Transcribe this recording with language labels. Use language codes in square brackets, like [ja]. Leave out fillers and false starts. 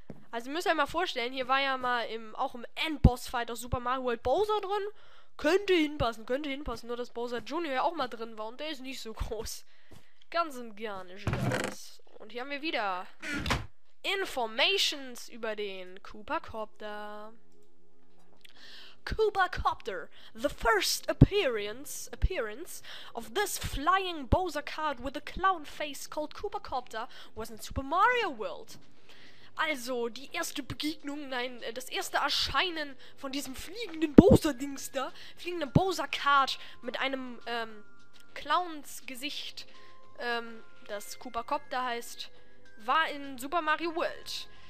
[de] Also ihr müsst euch mal vorstellen, hier war ja mal auch im Endboss-Fight aus Super Mario World Bowser drin. Könnte hinpassen. Nur, dass Bowser Jr. ja auch mal drin war. Und der ist nicht so groß. Ganz und gar nicht. Und hier haben wir wieder Informations über den Koopa-Copter. Koopa-Copter. [en] The first appearance of this flying Bowser card with a clown face called Koopa-Copter was in Super Mario World. [de] Also, die erste Begegnung, nein, das erste Erscheinen von diesem fliegenden Bowser-Dings da, fliegenden Bowser-Card mit einem Clowns-Gesicht, das Koopa-Copter heißt, war in Super Mario World.